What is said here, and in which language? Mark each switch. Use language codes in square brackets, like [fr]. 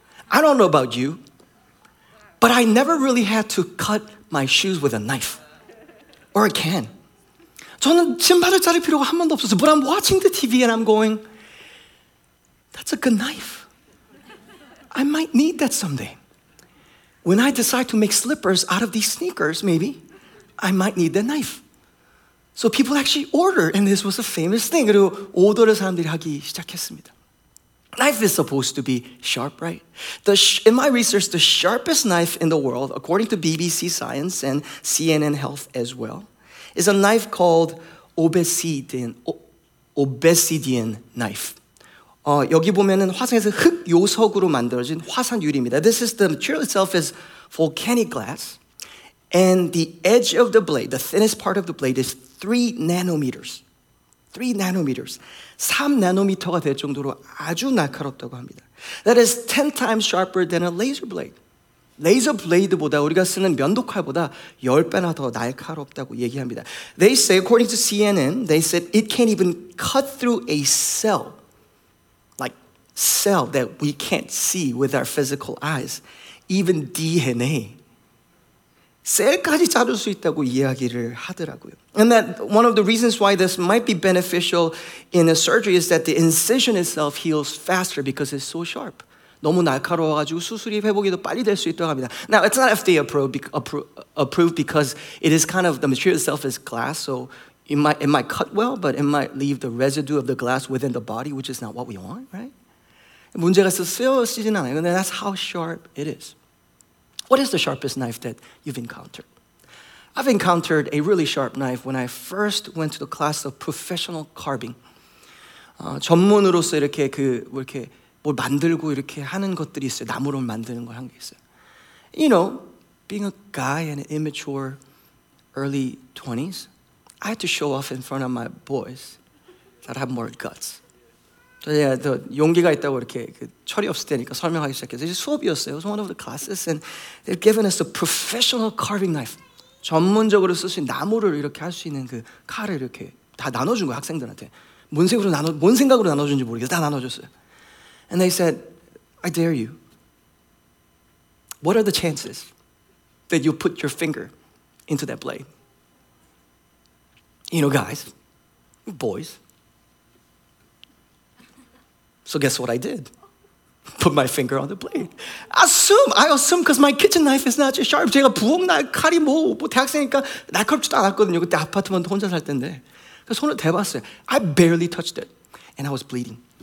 [en] I don't know about you, but I never really had to cut my shoes with a knife or a can. [ko] 저는 신발을 자를 필요가 한 번도 없었어요. [en] But I'm watching the TV and I'm going, that's a good knife. I might need that someday. When I decide to make slippers out of these sneakers, maybe, I might need the knife. So people actually order, and this was a famous thing. [ko] 그리고 오더를 사람들이 하기 시작했습니다. [en] Knife is supposed to be sharp, right? In my research, the sharpest knife in the world, according to BBC Science and CNN Health as well, is a knife called obsidian knife. [ko] 여기 보면은 화성에서 흙 요석으로 만들어진 화산유리입니다. [en] This is the material itself is volcanic glass. And the edge of the blade, the thinnest part of the blade, is 3 nanometers. 3 nanometers. [ko] 3 nanometer가 될 정도로 아주 날카롭다고 합니다. [en] That is 10 times sharper than a laser blade. [ko] Laser blade보다 우리가 쓰는 면도칼보다 10배나 더 날카롭다고 얘기합니다. [en] They say, according to CNN, they said it can't even cut through a cell. Like cell that we can't see with our physical eyes. Even DNA. [ko] 셀까지 자를 수 있다고 이야기를 하더라고요. [en] And that one of the reasons why this might be beneficial in a surgery is that the incision itself heals faster because it's so sharp. [ko] 너무 날카로워가지고 수술이 회복이도 빨리 될 수 있다고 합니다. [en] Now, it's not FDA approved because it is kind of, the material itself is glass, so it might cut well, but it might leave the residue of the glass within the body, which is not what we want, right? [ko] 문제가 있어서 쓰여지진 않아요. 근데 [en] that's how sharp it is. What is the sharpest knife that you've encountered? I've encountered a really sharp knife when I first went to the class of professional carving. [ko] 전문으로서 이렇게 그 이렇게 뭘 만들고 이렇게 하는 것들이 있어요. 나무로 만드는 걸 한 게 있어요. [en] You know, being a guy in an immature early 20s, I had to show off in front of my boys that I have more guts. [ko] 저 용기가 있다고 이렇게 그 철이 없을 때니까 설명하기 시작했어요. 이제 수업이었어요. [en] It was one of the classes and they've given us a professional carving knife. [ko] 전문적으로 쓸 수 있는 나무를 이렇게 할 수 있는 그 칼을 이렇게 다 나눠준 거예요, 학생들한테. 뭔 생각으로 나눠준지 모르겠어요. 다 나눠줬어요. [en] And they said, I dare you. What are the chances that you'll put your finger into that blade? You know, guys, boys. So guess what I did? Put my finger on the blade. I assume, because my kitchen knife is not just sharp. [ko] 제가 부엌 칼이 뭐 대학생이니까 날카롭지도 않았거든요. 그때 아파트먼트 혼자 살 텐데. 그래서 손을 대봤어요. [en] I barely touched it, and I was bleeding.